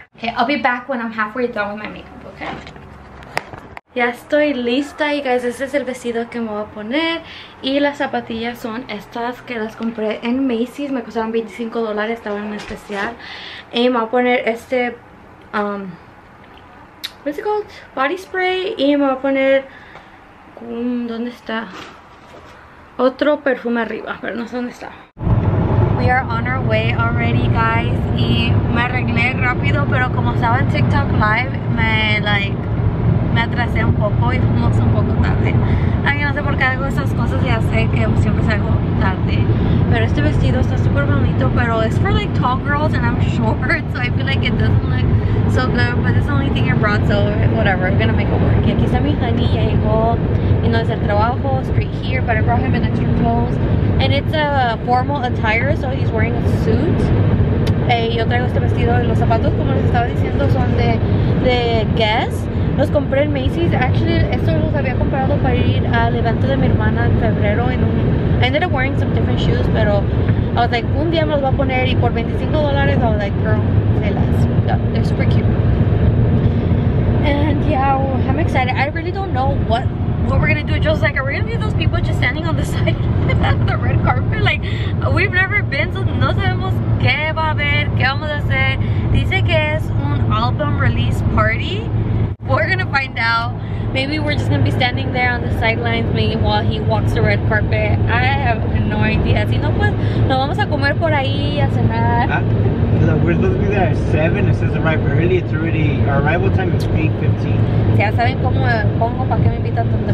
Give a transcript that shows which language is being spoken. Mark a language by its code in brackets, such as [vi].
[en] Okay, I'll be back when I'm halfway done with my makeup, okay? [es] Ya estoy lista, [en] you guys. [es] Este es el vestido que me voy a poner. Y las zapatillas son estas que las compré en Macy's. Me costaron $25, estaban en especial. Y me voy a poner este, [en] what is it called? Body spray. [es] Y me voy a poner, ¿dónde está? Otro perfume arriba, pero no sé dónde está. [en] We are on our way already, guys. [es] Y me arreglé rápido, pero como estaba en TikTok live, me atrasé un poco y fuimos un poco tarde. Ay, no sé por qué hago esas cosas, ya sé que siempre salgo tarde. Pero este vestido está súper bonito, pero es [en] for like tall girls and I'm short, so I feel like it doesn't look so good, but it's the only thing in brown, so whatever, I'm gonna make it work. [es] Aquí está mi honey, ya llegó, y no es el trabajo, [en] straight here, but I brought him in extra clothes. And it's a formal attire, so he's wearing a suit. [es] Yo traigo este vestido, y los zapatos, como les estaba diciendo, son de Guess. Los compré en Macy's. Actually, estos los había comprado para ir al evento de mi hermana en febrero. [en] I ended up wearing some different shoes, pero I was like, [es] un día me los voy a poner. Y por $25, [en] I was like, girl, say less. Yeah, they're super cute. And yeah, I'm excited. I really don't know what we're going to do. Just like, are we going to be those people just standing on the side of the red carpet? Like, we've never been, so [es] no sabemos qué va a haber, qué vamos a hacer. Dice que es un [en] album release party. We're gonna find out. Maybe we're just gonna be standing there on the sidelines, maybe while he walks the red carpet. I have no idea. [es] Si no, pues, no vamos a comer por ahí y a cenar. [en] We're supposed to be there at 7. It says arrive early. It's already, our arrival time is 8:15. [es] Ya saben cómo me pongo, para qué me invitan tanto.